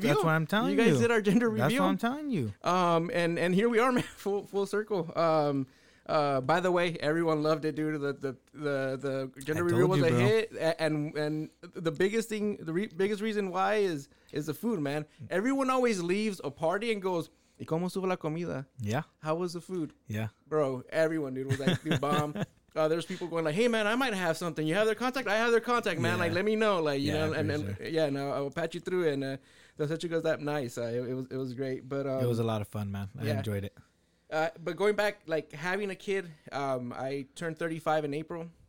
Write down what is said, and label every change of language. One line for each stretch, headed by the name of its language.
English: That's what I'm telling you. You guys did our gender review. That's what I'm telling you. And here we are, man, full circle. By the way, everyone loved it, dude. The gender review was a hit, and the biggest thing, biggest reason why is the food, man. Everyone always leaves a party and goes,
Spanish: ¿Y cómo estuvo la comida?
English: Yeah. How was the food? Yeah. Bro, everyone, dude, was like, dude, bomb. there's people going like, hey, man, I might have something. You have their contact? I have their contact, man. Yeah. Like, let me know. Like, you know, and then, sure. Yeah, no, I will patch you through. And that's such a good that nice. It was great. But it was a lot of fun, man. I enjoyed it. But going back, like, having a kid, I turned 35 in April.